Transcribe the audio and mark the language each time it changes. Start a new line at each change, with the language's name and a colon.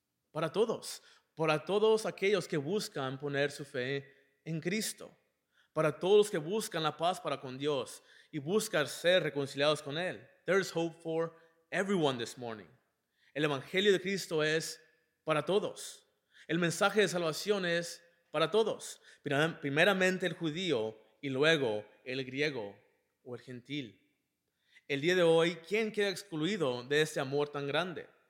Spanish: Para todos aquellos que buscan poner su fe en Cristo. para todos los que buscan la paz para con Dios y buscan ser reconciliados con Él.
English: There is hope for everyone this morning.
Spanish: El Evangelio de Cristo es para todos. El mensaje de salvación es para todos. Primeramente el judío y luego el griego o el gentil. El día de hoy, ¿quién queda excluido de este amor tan grande?